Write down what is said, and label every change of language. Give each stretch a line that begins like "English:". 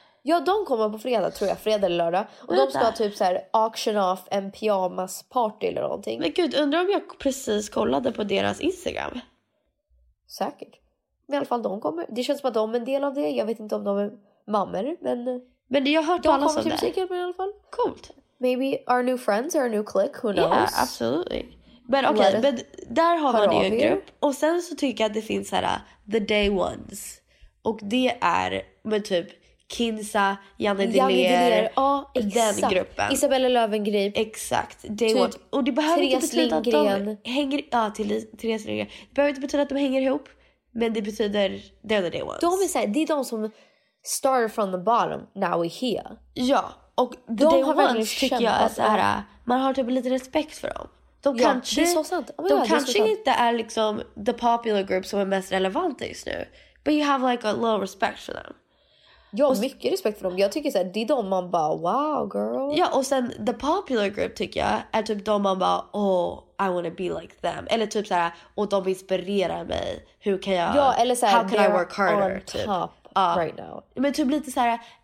Swedish: Ja, de kommer på fredag, tror jag. Fredag eller lördag. Och vänta. De ska typ så här
English: auction off
Swedish: en pyjamas party eller någonting. Men gud, undrar om jag precis kollade på deras Instagram. Säkert. i alla fall de kommer. Det känns som att de är en del av det. Jag vet inte om de är mammor, men... Men jag har hört de alla kommer till där. Musiken i alla fall. Coolt.
English: Maybe our new friends or our new clique, who knows? Yeah, absolutely.
Swedish: Men okej, okay, där har man ju en grupp. Och sen så tycker jag att det finns här
English: the day ones.
Swedish: Och det är med typ Kinsa, Janne Dillier, oh, den gruppen. Isabella Löwengrip. Exakt. Day typ one. Och det behöver inte betyda att de hänger... Ja, till Therese Lindgren. Det behöver inte betyda att de hänger ihop. Men det betyder
English: they're the day ones.
Swedish: De är såhär, det är de som
English: started from the bottom, now we're here.
Swedish: Ja, och the de day ones tycker jag är såhär, man har typ lite respekt för dem. De kanske, ja, det är så sant. Oh, de kanske inte är liksom
English: the popular group
Swedish: som är mest relevant just nu.
English: But you have like a little respect for them.
Swedish: Jag har mycket respekt för dem. Jag tycker såhär, det är de man bara,
English: wow girl.
Swedish: Ja, och sen
English: the popular group
Swedish: tycker jag är typ de man bara,
English: oh, I want to be like them.
Swedish: Eller typ såhär, och de inspirerar mig. Hur kan jag, ja, eller såhär,
English: how can I work harder? Typ. Right now.
Swedish: Men typ lite så här.